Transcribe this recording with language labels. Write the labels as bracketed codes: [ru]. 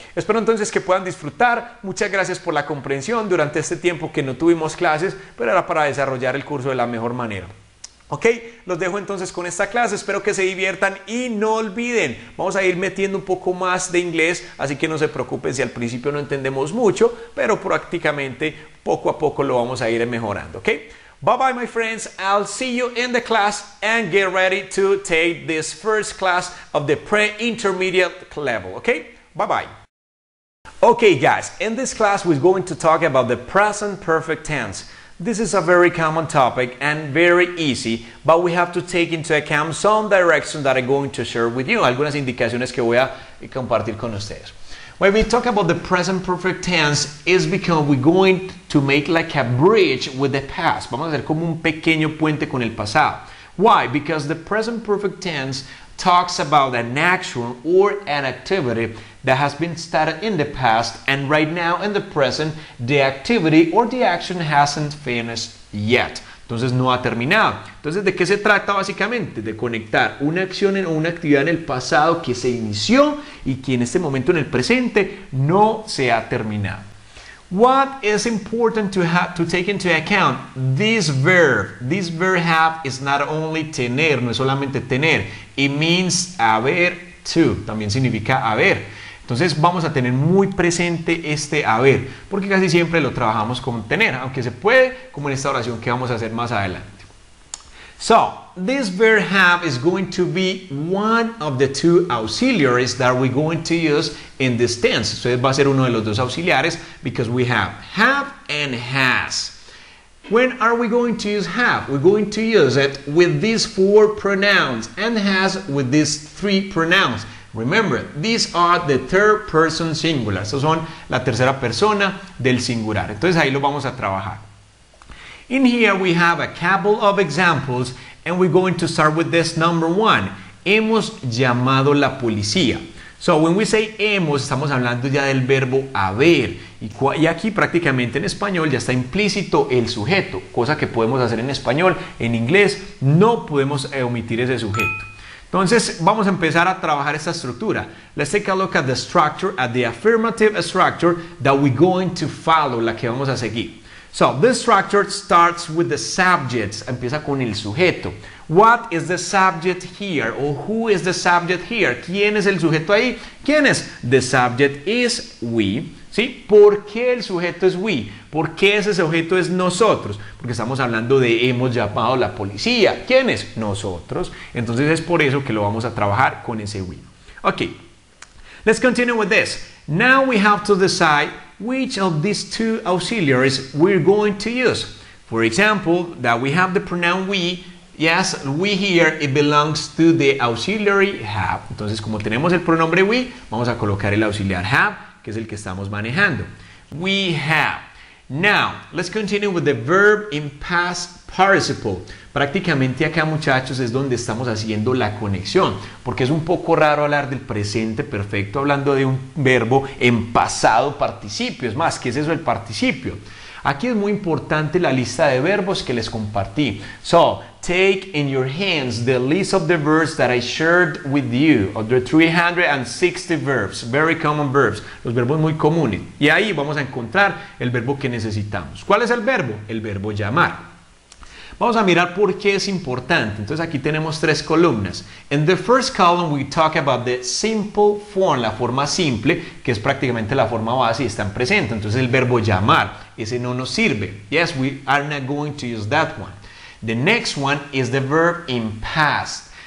[es] Espero entonces que puedan disfrutar. Muchas gracias por la comprensión durante este tiempo que no tuvimos clases, pero era para desarrollar el curso de la mejor manera. Ok, los dejo entonces con esta clase, espero que se diviertan y no olviden, vamos a ir metiendo un poco más de inglés, así que no se preocupen si al principio no entendemos mucho, pero prácticamente poco a poco lo vamos a ir mejorando, ok. [en] Bye bye my friends, I'll see you in the class and get ready to take this first class of the pre-intermediate level, ok. Bye bye. Ok guys, in this class we're going to talk about the present perfect tense. This is a very common topic and very easy, but we have to take into account some directions that I'm going to share with you. [es] Algunas indicaciones que voy a compartir con ustedes. [en] When we talk about the present perfect tense, it's because we're going to make like a bridge with the past. [es] Vamos a hacer como un pequeño puente con el pasado. [en] Why? Because the present perfect tense talks about an action or an activity that has been started in the past, and right now in the present, the activity or the action hasn't finished yet. [es] Entonces no ha terminado. Entonces, ¿de qué se trata básicamente? De conectar una acción o una actividad en el pasado que se inició y que en este momento en el presente no se ha terminado. [en] What is important to take into account? This verb have is not only tener, [es] no es solamente tener. [en] It means haber to, [es] también significa haber. Entonces vamos a tener muy presente este haber, porque casi siempre lo trabajamos con tener, aunque se puede, como en esta oración que vamos a hacer más adelante. [en] So, this verb have is going to be one of the two auxiliaries that we're going to use in this tense. [es] Entonces va a ser uno de los dos auxiliares, [en] because we have and has. When are we going to use have? We're going to use it with these four pronouns and has with these three pronouns. Remember, these are the third person singular. [es] Estos son la tercera persona del singular. Entonces ahí lo vamos a trabajar. [en] In here we have a couple of examples and we're going to start with this number one. [es] Hemos llamado la policía. [en] So when we say [es] hemos, estamos hablando ya del verbo haber. Y aquí prácticamente en español ya está implícito el sujeto, cosa que podemos hacer en español. En inglés no podemos omitir ese sujeto. Entonces, vamos a empezar a trabajar esta estructura. [en] Let's take a look at the structure, at the affirmative structure that we're going to follow, [es] la que vamos a seguir. [en] So, this structure starts with the subject, [es] empieza con el sujeto. [en] What is the subject here? Or who is the subject here? [es] ¿Quién es el sujeto ahí? ¿Quién es? [en] The subject is we. [es] ¿Sí? ¿Por qué el sujeto es we? ¿Por qué ese sujeto es nosotros? Porque estamos hablando de hemos llamado a la policía. ¿Quién es? Nosotros. Entonces es por eso que lo vamos a trabajar con ese we. [en] Ok, let's continue with this. Now we have to decide which of these two auxiliaries we're going to use. For example, that we have the pronoun we. Yes, we here, it belongs to the auxiliary have. [es] Entonces, como tenemos el pronombre we, vamos a colocar el auxiliar have, que es el que estamos manejando. [en] We have. Now, let's continue with the verb in past participle. [es] Prácticamente acá, muchachos, es donde estamos haciendo la conexión, porque es un poco raro hablar del presente perfecto hablando de un verbo en pasado participio. Es más, ¿qué es eso el participio? Aquí es muy importante la lista de verbos que les compartí. [en] So, take in your hands the list of the verbs that I shared with you, of the 360 verbs, very common verbs, [es] los verbos muy comunes. Y ahí vamos a encontrar el verbo que necesitamos. ¿Cuál es el verbo? El verbo llamar. Vamos a mirar por qué es importante. Entonces aquí tenemos tres columnas. [en] In the first column we talk about the simple form, [es] la forma simple, que es prácticamente la forma base y está en presente. Entonces el verbo llamar, ese no nos sirve. [en] Yes, we are not going to use that one. The next one is the verb in past.